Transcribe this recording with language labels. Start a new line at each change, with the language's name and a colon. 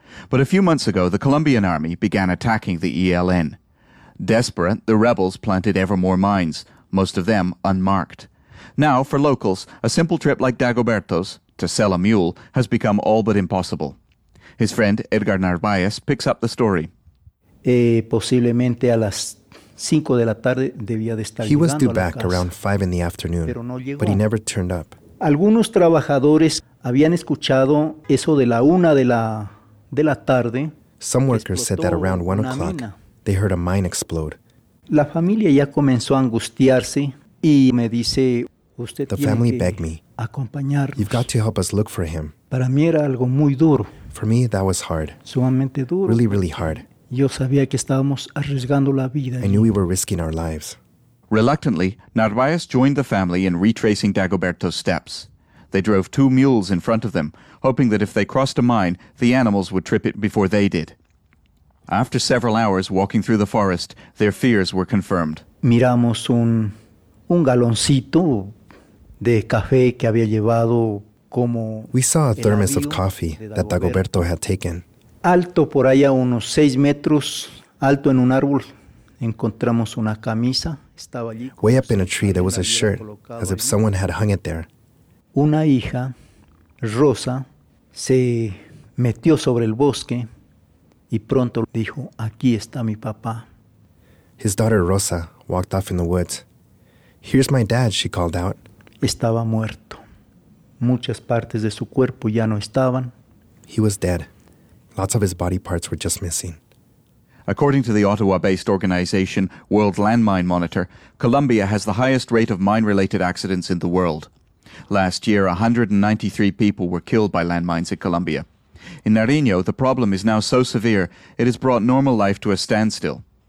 English: But a few months ago, the Colombian army began attacking the ELN. Desperate, the rebels planted ever more mines, most of them unmarked. Now, for locals, a simple trip like Dagoberto's, to sell a mule, has become all but impossible. His friend, Edgar Narváez, picks up the story.
Spanish: Possiblemente a las cinco de la tarde debía de estar.
English: He was due back around 5 in the afternoon,
Spanish: pero no llegó.
English: But he never turned up.
Spanish: Algunos trabajadores habían escuchado eso de la una de la... De la tarde,
English: some workers said that around 1 o'clock, they heard a mine explode.
Spanish: La familia ya comenzó a angustiarse y me dice, usted
English: the family begged me,
Spanish: acompañarnos.
English: You've got to help us look for him.
Spanish: Para mí era algo muy duro.
English: For me, that was hard.
Spanish: Sumamente duro.
English: Really, really hard.
Spanish: Yo sabía que estábamos arriesgando la vida.
English: I knew we were risking our lives. Reluctantly, Narváez joined the family in retracing Dagoberto's steps. They drove two mules in front of them, hoping that if they crossed a mine, the animals would trip it before they did. After several hours walking through the forest, their fears were confirmed.
Spanish: Miramos un galoncito de café que había llevado como.
English: We saw a thermos of coffee that Dagoberto had taken.
Spanish: Alto por allá unos 6 metros, alto en un árbol, encontramos una camisa. Estaba allí.
English: Way up in a tree there was a shirt, as if someone had hung it there.
Spanish: Una hija, Rosa, se metió sobre el bosque y pronto dijo, aquí está mi papá.
English: His daughter, Rosa, walked off in the woods. Here's my dad, she called out.
Spanish: Estaba muerto. Muchas partes de su cuerpo ya no estaban.
English: He was dead. Lots of his body parts were just missing. According to the Ottawa-based organization World Landmine Monitor, Colombia has the highest rate of mine-related accidents in the world. Last year, 193 people were killed by landmines in Colombia. In Nariño, the problem is now so severe, it has brought normal life to a standstill.